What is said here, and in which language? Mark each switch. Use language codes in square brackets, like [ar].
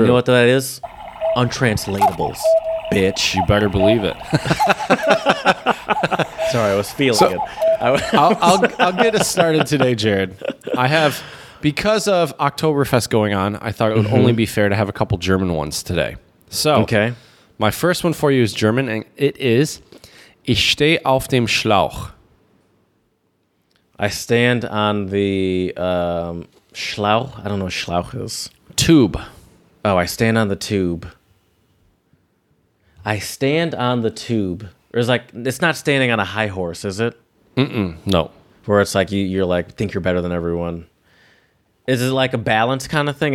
[en] You know what that is? Untranslatables, bitch. You better believe it. Sorry, I was feeling it. I'll get us started today, Jared. I have, because of Oktoberfest going on, I thought it would only be fair to have a couple German ones today. So, okay. My first one for you is German, and it is, [de] Ich stehe auf dem Schlauch. [en] I stand on the... Schlauch? I don't know what Schlauch is. Tube. Oh, I stand on the tube. I stand on the tube. Or it's like, it's not standing on a high horse, is it? Mm-mm. No. Where it's like, you're like, think you're better than everyone. Is it like a balance kind of thing?